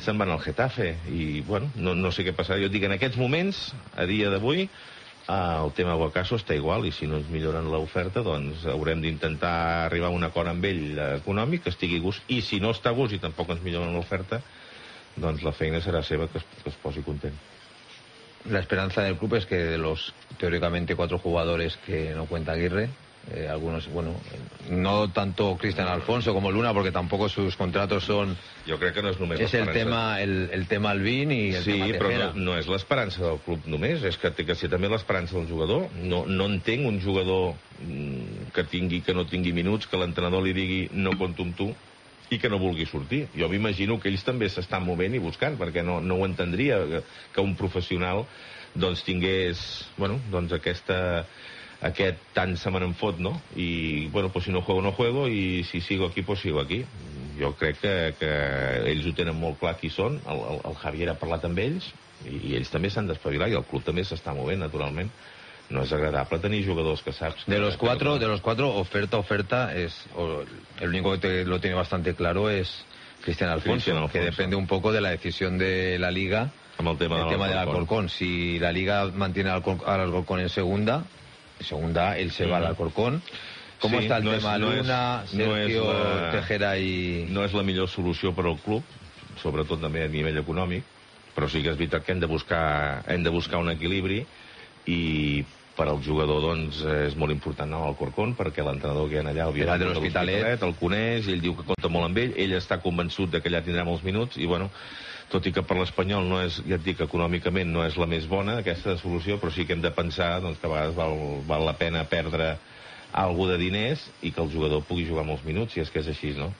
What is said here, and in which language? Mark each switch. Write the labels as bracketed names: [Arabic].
[Catalan] Se'n va anar al Getafe, i bueno, no sé què passarà. Jo et dic, en aquests moments, a dia d'avui, el tema Guacaso està igual, i si no ens milloren l'oferta, doncs haurem d'intentar arribar a un acord amb ell econòmic, que estigui a gust, i si no està a gust i tampoc ens milloren l'oferta, doncs la feina serà seva, que es posi content. [Spanish] La esperanza del club es que de los teóricamente 4 jugadores que no cuenta Aguirre, algunos, bueno, no tanto Cristian Alfonso como Luna, porque tampoco sus contratos son... Yo creo que no es [Catalan] només [Spanish] l'esperança. Es el tema Alvin y el sí, tema Tejera. [Catalan] Sí, però no és l'esperança del club només, és que té que ser també l'esperança del jugador. No entenc un jugador que no tingui minuts, que l'entrenador li digui no compto amb tu, i que no vulgui sortir. Jo m'imagino que ells també s'estan movent i buscant, perquè no ho entendria que un professional doncs tingués, bueno, doncs aquest tant se me n'enfot, no? [Spanish] I, bueno, pues si no juego, no juego, i si sigo aquí, pues sigo aquí. [Catalan] Jo crec que ells ho tenen molt clar qui són, el Javier ha parlat amb ells, i ells també s'han d'espavilar, i el club també s'està movent, naturalment. No és agradable tenir jugadors que saps... [Spanish] De los cuatro, oferta, es, el único que lo tiene bastante claro es Cristian Alfonso, que depende un poco de la decisión de la Liga. [Catalan] Amb el tema de l'Alcorcón. [Spanish] Si la Liga mantiene al Alcorcón en segunda, él se va al Alcorcón. ¿Cómo está el tema Luna, Sergio, Tejera y...? [Catalan] No és la millor solució per al club, sobretot també a nivell econòmic, però sí que és veritat que hem de buscar un equilibri. I per al jugador, doncs, és molt important anar al Corcón, perquè l'entrenador que hi ha allà, el Vidal de l'Hospitalet, el coneix, ell diu que compta molt amb ell, ell està convençut que allà tindrà molts minuts, i, bueno, tot i que per l'Espanyol no és, ja et dic, econòmicament no és la més bona, aquesta solució, però sí que hem de pensar, doncs, que a vegades val la pena perdre algú de diners i que el jugador pugui jugar molts minuts, si és que és així, no?